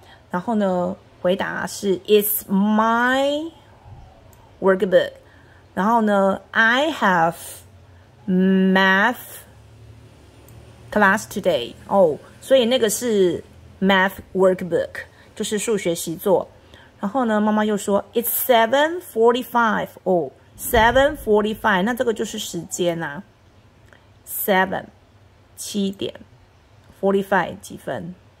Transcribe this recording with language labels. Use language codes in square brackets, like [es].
[zh] 然后呢，回答是 It's my workbook. [en] 然后呢 ，I have math. [zh] Class today，所以那个是 math workbook， 就是数学习作。然后呢，妈妈又说 it's 7:45， 7:45， 那这个就是时间啊， 7点 ，45 几分？